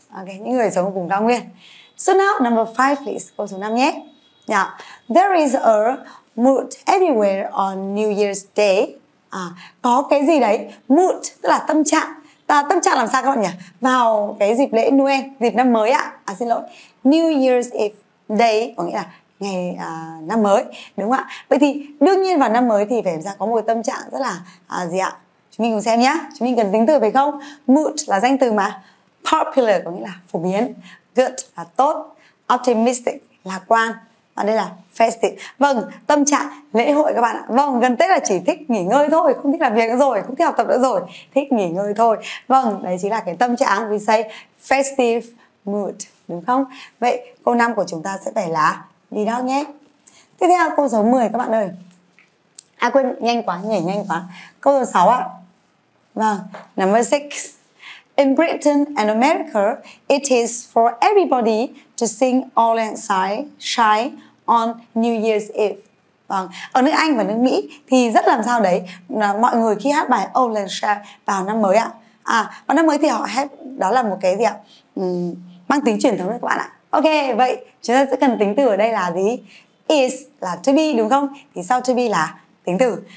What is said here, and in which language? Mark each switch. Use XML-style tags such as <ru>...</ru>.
<vi>Ok, những người sống cùng cao nguyên.</vi> <en>So now, number 5 please,</en> <vi>câu số 5 nhé.</vi> <en>Nhá, there is a mood everywhere on New Year's Day.</en> <vi>À, có cái gì đấy? Mood, tức là tâm trạng. Và tâm trạng làm sao các bạn nhỉ? Vào cái dịp lễ Noel, dịp năm mới ạ. À, xin lỗi, New Year's Eve Day có nghĩa là ngày năm mới, đúng không ạ? Vậy thì đương nhiên vào năm mới thì phải ra có một tâm trạng rất là gì ạ? Chúng mình cùng xem nhá. Chúng mình cần tính từ phải không? Mood là danh từ mà. Popular có nghĩa là phổ biến. Good là tốt. Optimistic là lạc quan. Và đây là festive. Vâng, tâm trạng lễ hội các bạn ạ. Vâng, gần Tết là chỉ thích nghỉ ngơi thôi, không thích làm việc nữa rồi, không thích học tập nữa rồi, thích nghỉ ngơi thôi. Vâng, đấy chính là cái tâm trạng,</vi> <en>we say festive mood,</en> <vi>đúng không? Vậy câu 5 của chúng ta sẽ phải là đi đó nhé. Tiếp theo câu số 10 các bạn ơi. À quên, nhanh quá, nhảy nhanh quá. Câu số 6 ạ. Vâng, number 6.</vi> <en>In Britain and America, it is for everybody to sing All and Shy on New Year's Eve.</en> <vi>Vâng, ở nước Anh và nước Mỹ thì rất làm sao đấy là mọi người khi hát bài All and Shy vào năm mới ạ. À, vào năm mới thì họ hát, đó là một cái gì ạ? Mang tính truyền thống đấy các bạn ạ. Ok, vậy chúng ta sẽ cần tính từ ở đây là gì? is là to be đúng không? Thì sau to be là tính từ.</vi>